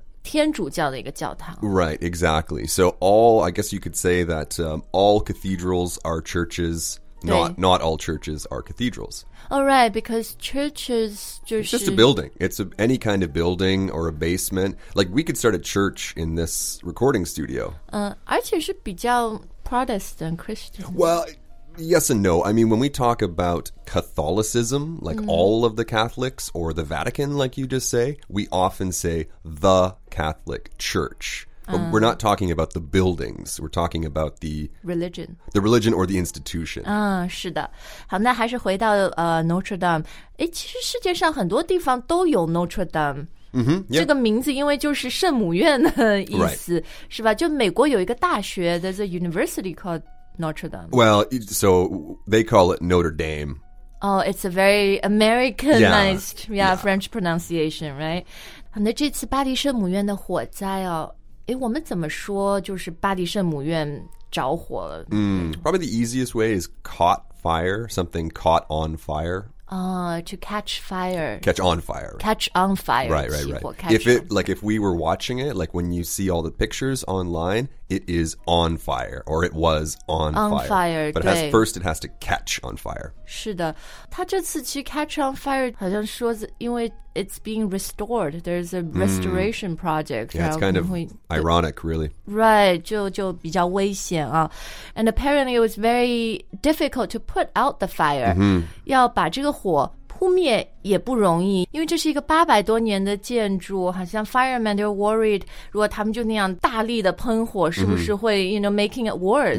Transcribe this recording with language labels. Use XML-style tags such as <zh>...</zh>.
<en>yep.</en> <zh>天主教的一个教堂</zh> <en>Right, exactly. So all, I guess you could say that、all cathedrals are churches... Not all churches are cathedrals. All right, because churches just... It's just a building. It's any kind of building or a basement. Like, we could start a church in this recording studio.</en> <zh>而且是比较 Protestant, Christian.</zh> <en>Well, yes and no. I mean, when we talk about Catholicism, like、all of the Catholics or the Vatican, like you just say, we often say the Catholic Church. But we're not talking about the buildings. We're talking about the... Religion. The religion or the institution.</en> <zh>是的。好，那还是回到、Notre Dame. 其实世界上很多地方都有 Notre Dame.、</zh> <en>Yeah.</en> <zh>这个名字因为就是圣母院的意思、</zh> <en>right.</en> <zh>是吧就美国有一个大学</zh> <en>There's a university called Notre Dame. Well, so they call it Notre Dame. Oh, it's a very Americanized French pronunciation, right?</en> <zh>那这次巴黎圣母院的火灾哦我们怎么说就是巴黎圣母院着火了、</zh> <en>Probably the easiest way is caught fire, something caught on fire. To catch fire. Catch on fire. Catch on fire. Right. If we were watching it, like when you see all the pictures online, it is on fire, or it was on fire. But it has to catch on fire.</en> <zh>是的，它这次去 catch on fire 好像说是因为</zh> <en>it's being restored. There's a restoration project. Yeah, it's kind of ironic, really.</en> <zh>Right, 就比较危险啊。</zh> <en>And apparently it was very difficult to put out the fire.</en> <zh>要把这个火扑扑灭也不容易，因为这是一个800多年的建筑，好像</zh> <en>firemen are worried</en> <zh>如果他们就那样大力的喷火，是不是会、mm-hmm.</zh> <en>you know, making it worse?</en>